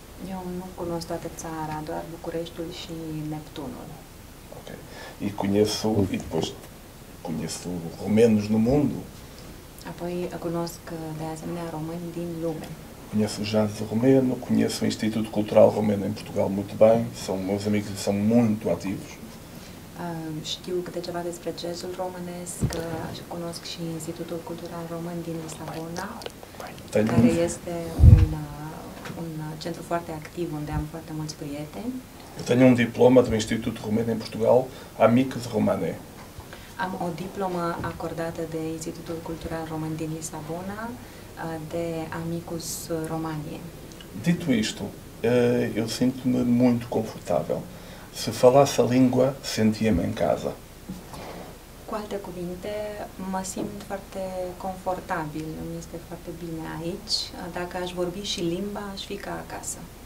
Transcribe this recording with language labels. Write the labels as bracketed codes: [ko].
[ro] Eu nu cunosc toată țara, doar Bucureștiul și Neptunul. [pt] E conheço, e depois conheço romenos no mundo. [ro] Apoi, cunosc de asemenea români din lume. [pt] Conheço o jazz romeno, conheço o Instituto Cultural Romeno em Portugal muito bem, são meus amigos e são muito ativos. [ro] Știu câte ceva despre jazzul românesc, cunosc și Institutul Cultural Român din Lisabona, care este un centru foarte activ, unde am foarte mulți prieteni. [pt] Tenho um diploma do Instituto Romeno em Portugal, Amicus Romanae. [ro] Am o diplomă acordată de Institutul Cultural Român din Lisabona, de Amicus Romaniae. [pt] Dito isto, eu sinto-me muito confortável. Se falasse a língua, sentia-me em casa. [ro] Cu alte cuvinte, mă simt foarte confortabil, îmi este foarte bine aici. Dacă aș vorbi și limba, aș fi ca acasă.